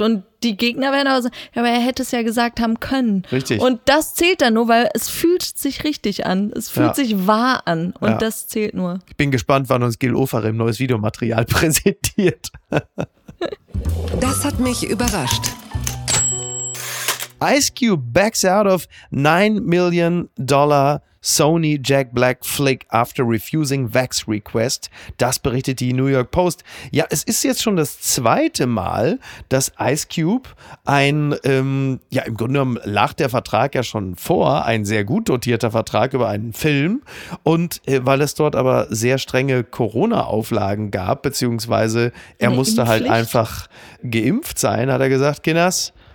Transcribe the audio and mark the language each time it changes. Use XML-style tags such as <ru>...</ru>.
<de>Und die Gegner werden aber sagen, ja, aber er hätte es ja gesagt haben können. Richtig. Und das zählt dann nur, weil es fühlt sich richtig an. Es fühlt sich wahr an. Und das zählt nur. Ich bin gespannt, wann uns Gil Oferim neues Videomaterial präsentiert. Das hat mich überrascht.</de> <en>Ice Cube backs out of $9 million Sony Jack Black Flick after refusing Vax Request.</en> <de>Das berichtet die New York Post. Ja, es ist jetzt schon das zweite Mal, dass Ice Cube im Grunde genommen lag der Vertrag ja schon vor, ein sehr gut dotierter Vertrag über einen Film. Und weil es dort aber sehr strenge Corona-Auflagen gab, beziehungsweise er musste halt einfach geimpft sein, hat er gesagt, Kinders,</de>